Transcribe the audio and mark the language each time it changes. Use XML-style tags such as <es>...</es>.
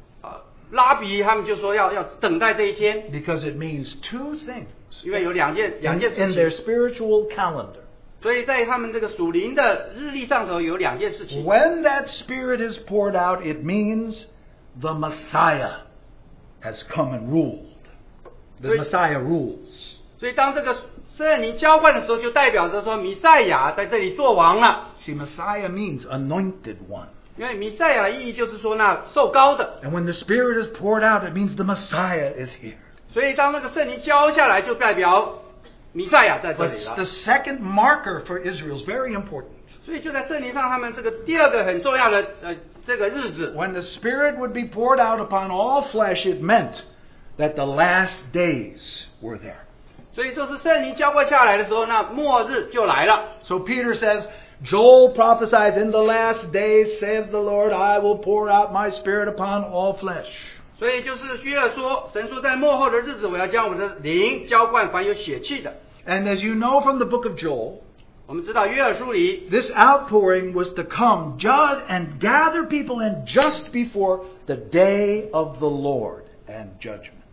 <zh>所以犹太人的教师拉比他们就说要等待这一天。</zh> <en>Because it means two things.</en> <zh>因为有两件事情。</zh> <en>In their spiritual calendar.</en> <zh>所以在他们这个属灵的日历上头有两件事情。</zh> <en>When that Spirit is poured out, it means the Messiah has come and ruled. The Messiah rules.</en> <zh>所以当这个圣灵浇灌的时候，就代表着说弥赛亚在这里做王了。</zh> <en>See, Messiah means anointed one.</en> <zh>因为弥赛亚的意义就是说那受膏的。</zh> <en>And when the Spirit is poured out, it means the Messiah is here.</en> <zh>所以当那个圣灵浇下来，就代表弥赛亚在这里了。</zh> <en>But the second marker for Israel is very important.</en> <zh>所以就在圣灵上，他们这个第二个很重要的这个日子。</zh> <en>When the Spirit would be poured out upon all flesh, it meant that the last days were there.</en> <zh>所以就是圣灵浇灌下来的时候，那末日就来了。</zh> <en>So Peter says, Joel prophesies, in the last days, says the Lord, I will pour out my spirit upon all flesh.</en> <zh>所以就是约珥说，神说在末后的日子，我要将我的灵浇灌凡有血气的。</zh> <en>And as you know from the book of Joel,</en> <zh>我们知道约珥书里,</zh> <en>this outpouring was to come, judge and gather people in just before the day of the Lord and judgment.</en>